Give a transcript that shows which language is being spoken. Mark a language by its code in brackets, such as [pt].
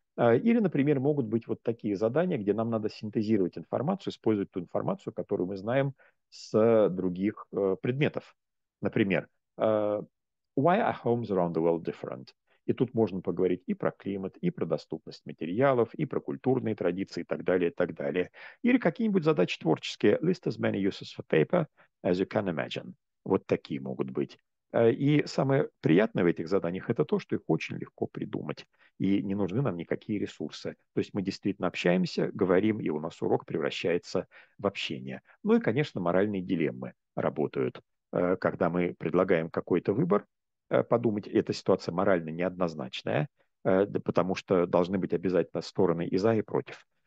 [ru] Или, например, могут быть вот такие задания, где нам надо синтезировать информацию, использовать ту информацию, которую мы знаем с других предметов. [en] Например, why are homes around the world different? [ru] И тут можно поговорить и про климат, и про доступность материалов, и про культурные традиции, и так далее, и так далее. Или какие-нибудь задачи творческие. [en] List as many uses for paper as you can imagine. [ru] Вот такие могут быть. И самое приятное в этих заданиях – это то, что их очень легко придумать, и не нужны нам никакие ресурсы. То есть мы действительно общаемся, говорим, и у нас урок превращается в общение. Ну и, конечно, моральные дилеммы работают. Когда мы предлагаем какой-то выбор, подумать, эта ситуация морально неоднозначная, потому что должны быть обязательно стороны и за, и против.